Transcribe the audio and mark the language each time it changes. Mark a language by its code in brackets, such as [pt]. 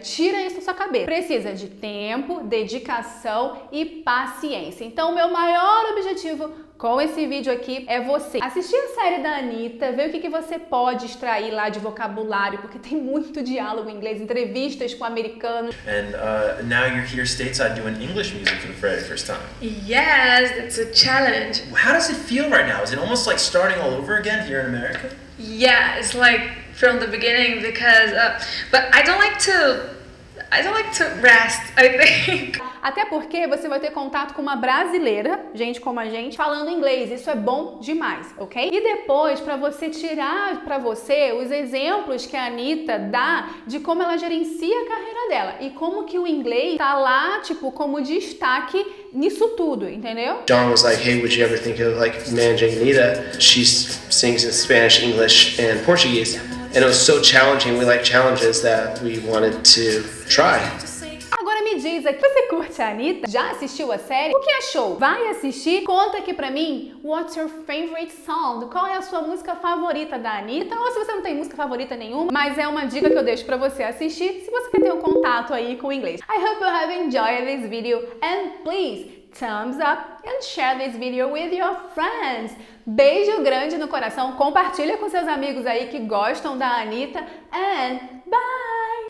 [pt] Tira isso da sua cabeça. Precisa de tempo, dedicação e paciência. Então, meu maior objetivo com esse vídeo aqui é você assistir a série da Anitta, ver o que você pode extrair lá de vocabulário, porque tem muito diálogo em inglês, entrevistas com americanos. [en] And now you're here stateside doing English music for the very first time. Yes, it's a challenge. How does it feel right now? Is it almost like starting all over again here in America? Yeah, it's like from the beginning because but I don't like to I don't like to rest, I think. [pt] Até porque você vai ter contato com uma brasileira, gente como a gente, falando inglês. Isso é bom demais, ok? E depois, pra você tirar pra você os exemplos que a Anitta dá de como ela gerencia a carreira dela e como que o inglês tá lá, tipo, como destaque nisso tudo, entendeu? [en] John was like, hey, would you ever think of, like, managing Anitta? She sings in Spanish, English, and Portuguese. And it was so challenging. We like challenges that we wanted to try. [pt] Me diz aqui, você curte a Anitta? Já assistiu a série? O que achou? Vai assistir? Conta aqui pra mim, [en] what's your favorite song? [pt] Qual é a sua música favorita da Anitta? Ou se você não tem música favorita nenhuma, mas é uma dica que eu deixo pra você assistir, se você quer ter um contato aí com o inglês. [en] I hope you have enjoyed this video, and please, thumbs up and share this video with your friends. [pt] Beijo grande no coração, compartilha com seus amigos aí que gostam da Anitta, [en] and bye!